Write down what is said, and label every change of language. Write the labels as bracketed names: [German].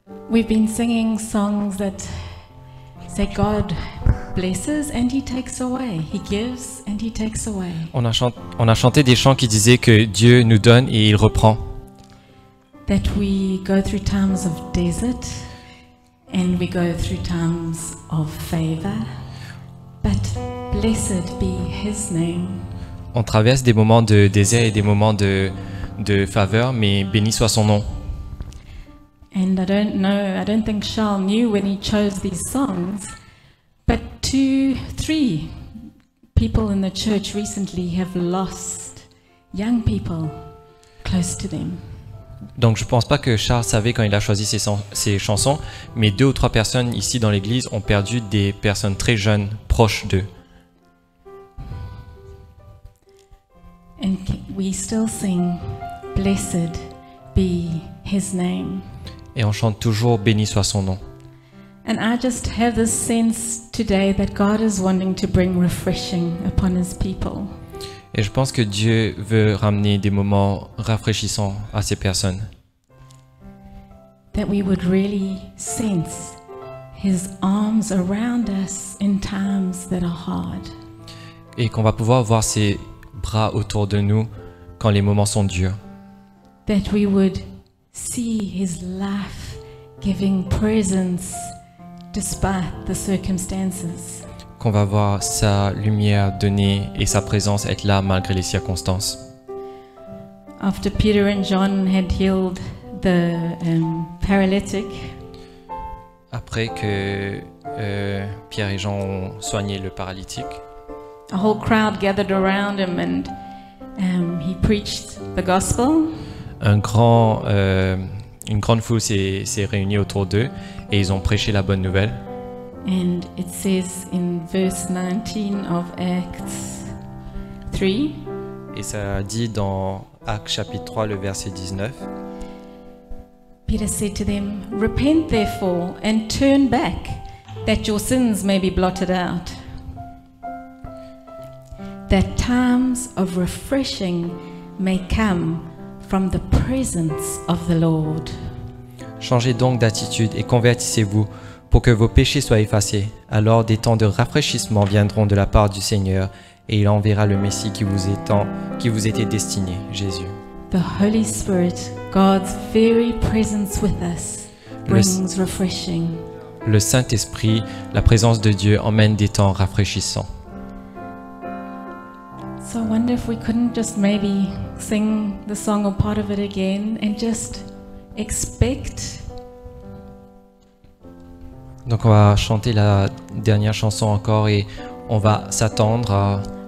[English] We've been singing songs that say God blesses and he takes away. He gives and he takes away. [French] On a chanté des chants qui disaient que Dieu nous donne et il reprend. [English] That we go through times of desert and we go through times of favor. But blessed be his name. [French] On traverse des moments de désert et des moments de faveur, mais béni soit son nom. [English] And I don't think Charles knew when he chose these songs, but 2-3 people in the church recently have lost young people close to them. [French] Donc je pense pas que Charles savait quand il a choisi ses chansons, mais 2 ou 3 personnes ici dans l'église ont perdu des personnes très jeunes proches d'eux. [English] And we still sing, blessed be his name. [French] Et on chante toujours béni soit son nom. [English] And I just have this sense today that God is wanting to bring refreshing upon his people. [French] Et je pense que Dieu veut ramener des moments rafraîchissants à ces personnes. [English] That we would really sense his arms around us in times that are hard. [French] Et qu'on va pouvoir voir ses bras autour de nous quand les moments sont durs. [English] That we would see his life giving presence despite the circumstances. [French] Qu'on va voir sa lumière donner et sa présence être là malgré les circonstances. [English] After Peter and John had healed the paralytic. [French] Après que Pierre et Jean ont soigné le paralytique. [English] A whole crowd gathered around him and he preached the gospel. [French] Une grande foule s'est réunie autour d'eux et ils ont prêché la bonne nouvelle. [English] And it says in verse 19 of Acts 3. [French] Et ça dit dans Actes chapitre 3 le verset 19. [English] Peter said to them, "Repent therefore and turn back, that your sins may be blotted out. That times of refreshing may come from the presence of the Lord." [French] Changez donc d'attitude et convertissez-vous pour que vos péchés soient effacés. Alors des temps de rafraîchissement viendront de la part du Seigneur et il enverra le Messie qui vous était destiné, Jésus. [English] The Holy Spirit, God's very presence with us, brings refreshing. [French] Le Saint-Esprit, la présence de Dieu, emmène des temps rafraîchissants. [English] So I wonder if we couldn't just maybe sing the song or part of it again and just expect. [French] Donc on va chanter la dernière chanson encore et on va s'attendre à